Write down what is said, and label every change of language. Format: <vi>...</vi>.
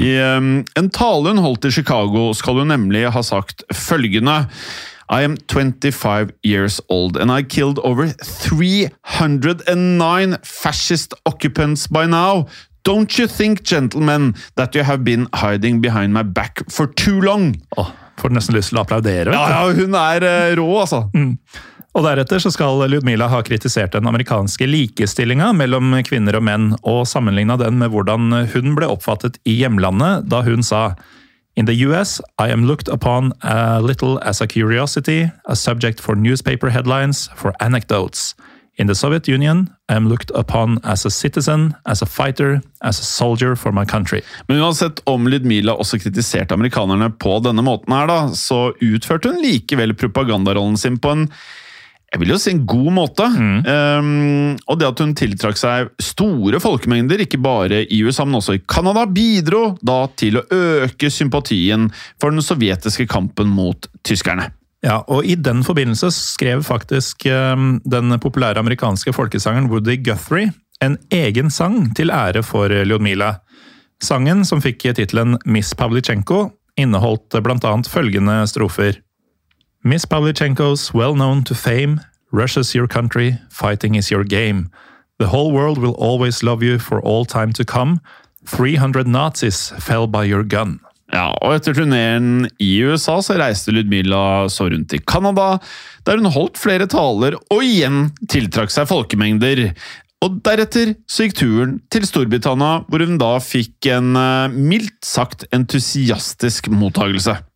<no>I en tale hun holdt i Chicago skal hun nemlig ha sagt følgende.</no> <en>I am 25 years old and I killed over 309 fascist occupants by now. Don't you think, gentlemen, that you have been hiding behind my back for too long?</en> <no>Åh, får nesten lyst til å applaudere. Ja, ja, hun rå, altså. Mm. Og deretter så skal Ludmilla ha kritisert den amerikanske likestillingen mellom kvinner og menn, og sammenlignet den med hvordan hun ble oppfattet i hjemlandet da hun sa...</no> <en>In the US, I am looked upon a little as a curiosity, a subject for newspaper headlines, for anecdotes. In the Soviet Union, I am looked upon as a citizen, as a fighter, as a soldier for my country.</en> <no>Men uansett om Ludmilla også kritiserte amerikanerne på denne måten her, da, så utførte hun likevel propagandarollen sin på en, jeg vil jo si en god måte. Mm. Og det at hun tiltrakk seg store folkemengder, ikke bare i USA, men også i Kanada, bidro da til å øke sympatien for den sovjetiske kampen mot tyskerne. Ja, og i den forbindelse skrev faktisk den populære amerikanske folkesangeren Woody Guthrie en egen sang til ære for Ludmilla. Sangen, som fikk titlen Miss Pavlichenko, inneholdt blant annet følgende strofer.</no> <en>Miss Pavlichenko's well known to fame, Russia's your country, fighting is your game. The whole world will always love you for all time to come. 300 Nazis fell by your gun.</en> <no>Ja, og etter turnéen i USA så reiste Ludmilla så rundt i Kanada, der hun holdt flere taler og igjen tiltrakk seg folkemengder. Og deretter så gikk turen til Storbritannia, hvor hun da fikk en mildt sagt entusiastisk mottagelse.</no>